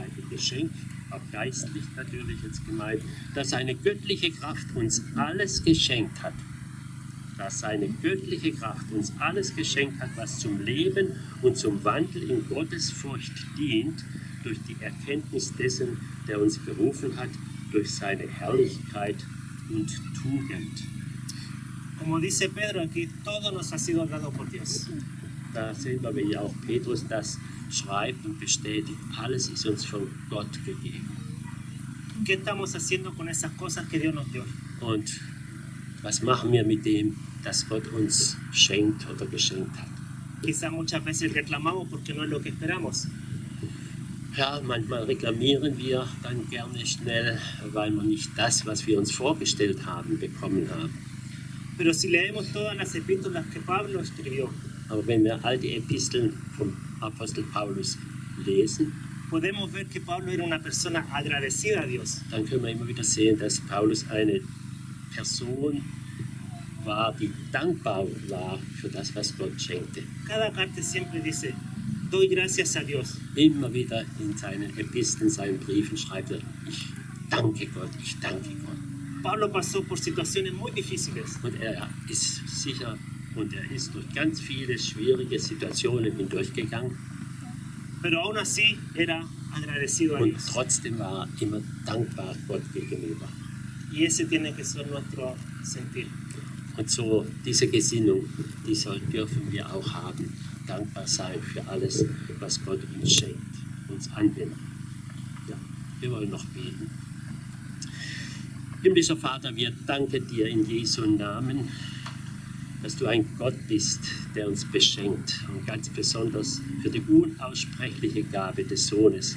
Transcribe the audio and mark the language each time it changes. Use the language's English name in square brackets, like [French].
[German] Geschenk, auch geistlich natürlich jetzt gemeint, dass seine göttliche Kraft uns alles geschenkt hat. Dass seine göttliche Kraft uns alles geschenkt hat, was zum Leben und zum Wandel in Gottesfurcht dient, durch die Erkenntnis dessen, der uns berufen hat, durch seine Herrlichkeit und Tugend. [Spanish] Como dice Pedro, aquí todo nos ha sido dado por Dios. [German] Da sehen wir ja auch Petrus, dass schreibt und bestätigt, alles ist uns von Gott gegeben. [Spanish] ¿Qué estamos haciendo con esas cosas que Dios nos dio? [German] Und was machen wir mit dem, das Gott uns schenkt oder geschenkt hat? [Spanish] Quizá muchas veces reclamamos porque no es lo que esperamos. [German] Ja, manchmal reklamieren wir dann gerne schnell, weil wir nicht das, was wir uns vorgestellt haben, bekommen haben. [Spanish] Pero si leemos todas las epístolas que Pablo escribió, [German] aber wenn wir all die Episteln vom Apostel Paulus lesen, [Spanish] podemos ver que Pablo era una persona agradecida a Dios. [German] Dann können wir immer wieder sehen, dass Paulus eine Person war, die dankbar war für das, was Gott schenkte. [Spanish] Cada carta siempre dice, doy gracias a Dios. [German] Immer wieder in seinen Episteln, seinen Briefen schreibt er, ich danke Gott, ich danke Gott. [Spanish] Pablo pasó por situaciones muy difíciles. [German] Und er ist sicher, und er ist durch ganz viele schwierige Situationen hindurchgegangen. [Spanish] Pero aún así era agradecido a Dios. [German] Und trotzdem war er immer dankbar Gott gegenüber. [Spanish] Y ese tiene que ser nuestro sentir. [German] Und so diese Gesinnung, die sollen, dürfen wir auch haben. Dankbar sein für alles, was Gott uns schenkt, uns anbietet. Ja, wir wollen noch beten. Himmlischer Vater, wir danken dir in Jesu Namen, dass du ein Gott bist, der uns beschenkt und ganz besonders für die unaussprechliche Gabe des Sohnes.